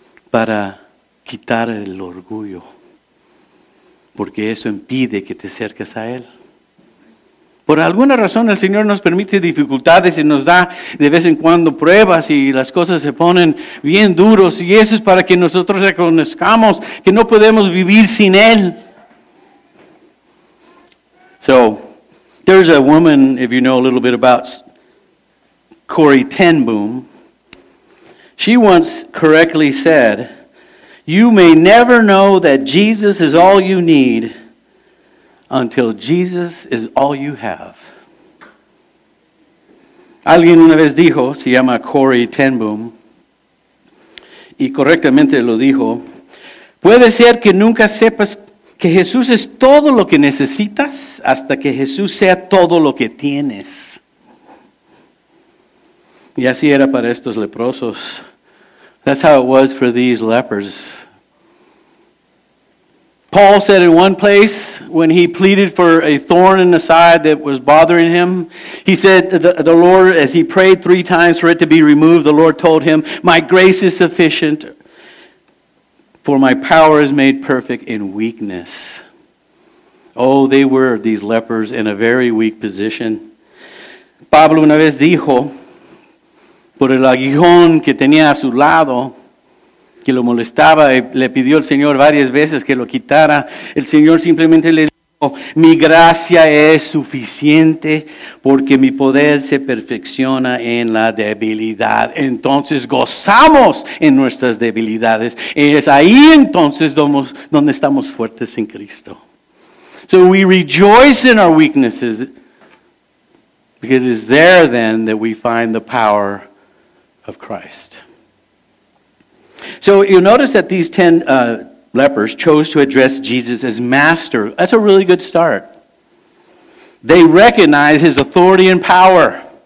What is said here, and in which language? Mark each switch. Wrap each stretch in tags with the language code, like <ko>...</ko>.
<es>Para quitar el orgullo. Porque eso impide que te acerques a Él. Por alguna razón el Señor nos permite dificultades y nos da de vez en cuando pruebas y las cosas se ponen bien duros y eso es para que nosotros reconozcamos que no podemos vivir sin Él.</es> <en>So, there's a woman, if you know a little bit about Corrie Ten Boom, she once correctly said, "You may never know that Jesus is all you need until Jesus is all you have."</en> <es>Alguien una vez dijo, se llama Corrie Ten Boom, y correctamente lo dijo, puede ser que nunca sepas que Jesús es todo lo que necesitas hasta que Jesús sea todo lo que tienes. Y así era para estos leprosos.</es> <en>That's how it was for these lepers. Paul said in one place, when he pleaded for a thorn in the side that was bothering him, he said, the Lord, as he prayed three times for it to be removed, the Lord told him, "My grace is sufficient, for my power is made perfect in weakness." Oh, they were, these lepers, in a very weak position.</en> <es>Pablo una vez dijo, por el aguijón que tenía a su lado, que lo molestaba y le pidió al Señor varias veces que lo quitara. El Señor simplemente le dijo, "Mi gracia es suficiente porque mi poder se perfecciona en la debilidad." Entonces gozamos en nuestras debilidades. Es ahí entonces donde estamos fuertes en Cristo.</es> <en>So we rejoice in our weaknesses because it is there then that we find the power of Christ. So you notice that these 10 lepers chose to address Jesus as master. That's a really good start. They recognize his authority and power.</en>